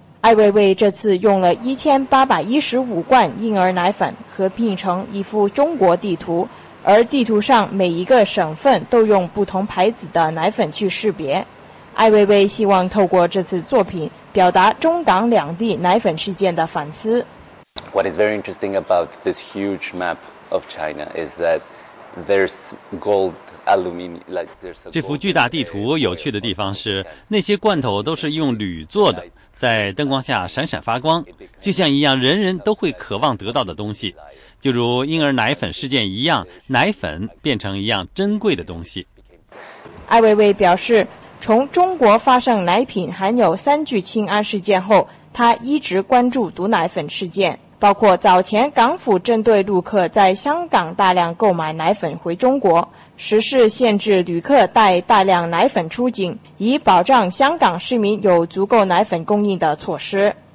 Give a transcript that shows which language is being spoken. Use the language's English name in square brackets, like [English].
[Chinese] 艾薇薇这次用了1815罐婴儿奶粉合并成一幅中国地图，而地图上每一个省份都用不同牌子的奶粉去识别。艾薇薇希望透过这次作品表达中港两地奶粉事件的反思。 [English] What is very interesting about this huge map of China is that there's gold aluminum, like there's a gold. [Chinese] 这幅巨大地图有趣的地方是，那些罐头都是用铝做的，在灯光下闪闪发光，就像一样人人都会渴望得到的东西，就如婴儿奶粉事件一样，奶粉变成一样珍贵的东西。艾薇薇表示，从中国发生奶品含有三聚氰胺事件后，她一直关注毒奶粉事件，包括早前港府针对陆客在香港大量购买奶粉回中国，实施限制旅客带大量奶粉出境，以保障香港市民有足够奶粉供应的措施。